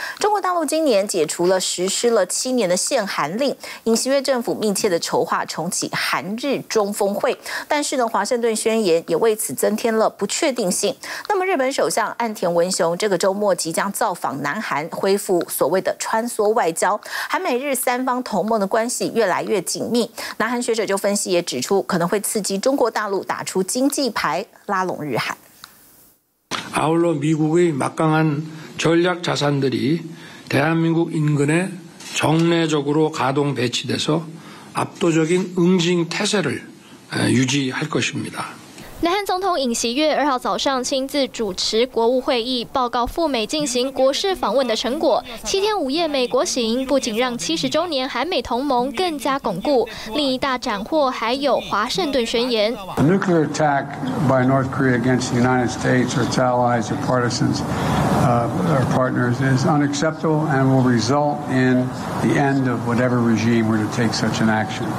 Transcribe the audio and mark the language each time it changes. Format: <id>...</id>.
<zh>中国大陆今年解除了实施了7年的限韩令，尹锡悦政府密切的筹划重启韩日中峰会，但是呢，华盛顿宣言也为此增添了不确定性。那么日本首相岸田文雄这个周末即将造访南韩，恢复所谓的穿梭外交，韩美日三方同盟的关系越来越紧密。南韩学者就分析也指出，可能会刺激中国大陆打出经济牌，拉拢日韩。</zh> <ko>아울러미국의막강한전략자산들이대한민국인근에정례적으로가동배치돼서압도적인응징태세를유지할것입니다</ko> <zh>南韩总统尹锡悦2号早上亲自主持国务会议，报告赴美进行国事访问的成果。 7天5夜美国行，不仅让70周年韩美同盟更加巩固，另一大斩获还有华盛顿宣言。</zh> <en>A nuclear attack by North Korea against the United States or its allies or partisans, or partners is unacceptable and will result in the end of whatever regime were to take such an action.</en>